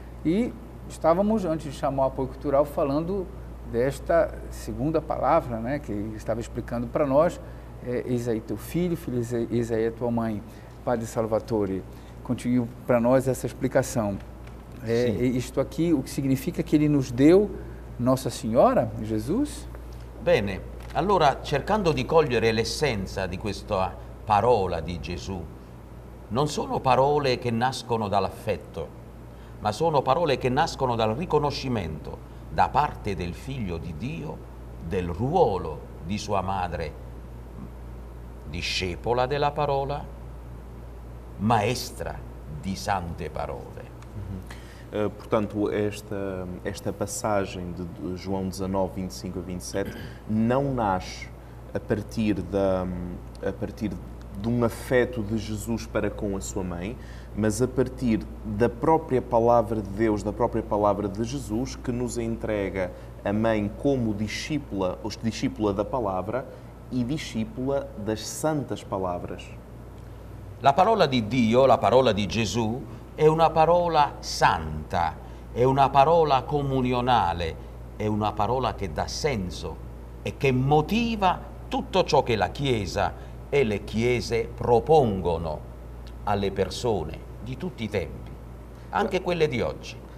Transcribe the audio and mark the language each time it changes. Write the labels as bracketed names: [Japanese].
[Portuguese] E estávamos, antes de chamar o apoio cultural, falando desta segunda palavra, né, que estava explicando para nós: eis aí teu filho, filho, eis aí a tua mãe. Padre Salvatore, continue para nós essa explicação. Isto aqui, o que significa que ele nos deu Nossa Senhora, Jesus? [Italian] Bene, allora, cercando di cogliere l'essenza di questa parola di Gesù, non sono parole che nascono dall'affetto, ma sono parole che nascono dal riconoscimento da parte del Figlio di Dio del ruolo di sua madre, discepola della parola, maestra di sante parole. [Portuguese] Portanto, esta passagem de João 19, 25 a 27 não nasce a partir de um afeto de Jesus para com a sua mãe, mas a partir da própria palavra de Deus, da própria palavra de Jesus, que nos entrega a mãe como discípula, ou discípula da palavra e discípula das santas palavras. [Italian] La parola di Dio, la parola di Gesù, è una parola santa, è una parola comunionale, è una parola che dà senso e che motiva tutto ciò che la Chiesa e le Chiese propongono alle persone di tutti i tempi, anche quelle di oggi.